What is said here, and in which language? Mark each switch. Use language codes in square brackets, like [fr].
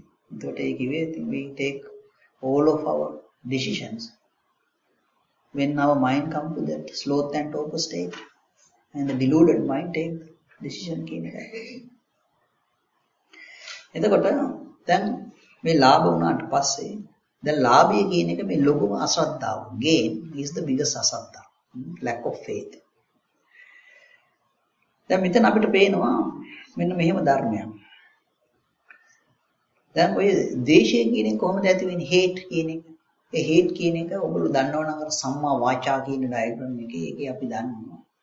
[si] එතකොට ඒ කිව්වේ [en] we take all of our decisions when our mind comes to that sloth and torpor state and the deluded mind take decision kine ka. [si] එතකොට දැන් මේ ලාභ වුණාට පස්සේ දැන් ලාභය කියන එක මේ ලොකුම අසද්දාව. [en] Gain is the biggest asaddha. Lack of faith. [si] දැන් මෙතන අපිට පේනවා මෙන්න මෙහෙම ධර්මයක්. දැන් ඔය දේශයෙන් කියන කොහොමද ඇති වෙන්නේ? හේට් කියන එක. ඒ හේට් කියන එක ඔයගොල්ලෝ දන්නවනම් අර සම්මා වාචා කියන ඩයග්‍රෑම් එකේ ඒකේ අපි දන්නවා.